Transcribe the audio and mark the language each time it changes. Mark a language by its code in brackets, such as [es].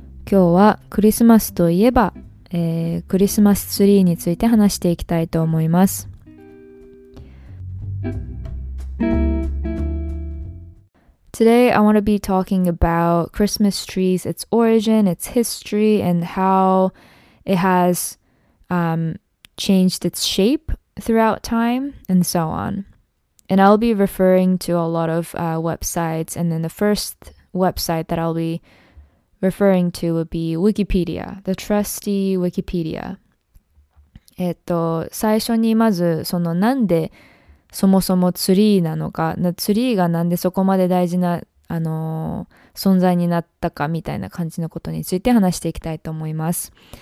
[ja] 今日はクリスマスといえば、クリスマスツリーについて話していきたいと思います。 [en] Today, I want to be talking about Christmas trees, its origin, its history, and how it has, changed its shape throughout time, and so on. And I'll be referring to a lot of websites, and then the first website that I'll be referring to would be Wikipedia, the trusty Wikipedia. [ja] 最初にまず、そのなんでそもそもツリーなのか、ツリーがなんでそこまで大事な、存在になったかみたいな感じのことについて話していきたいと思います。